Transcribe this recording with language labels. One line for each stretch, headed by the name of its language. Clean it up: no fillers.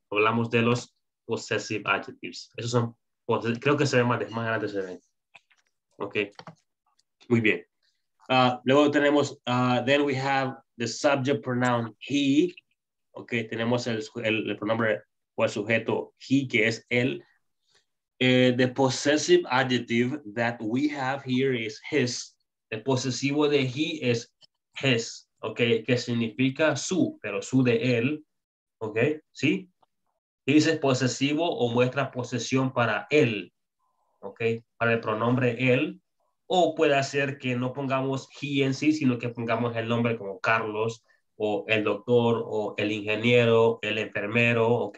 Spanish: Hablamos de los possessive adjectives. Esos son, creo que se ven más adelante se ven. Ok, muy bien. Luego tenemos,
English: then we have the subject pronoun he.
Spanish: Ok, tenemos el pronombre o el sujeto he, que es él.
English: The possessive adjective that we have here is his.
Spanish: El posesivo de he es his. Ok, que significa su, pero su de él. Ok, ¿sí? Dice posesivo o muestra posesión para él. ¿ok? Para el pronombre él, o puede ser que no pongamos he en sí, sino que pongamos el nombre como Carlos, o el doctor, o el ingeniero, el enfermero, ¿ok?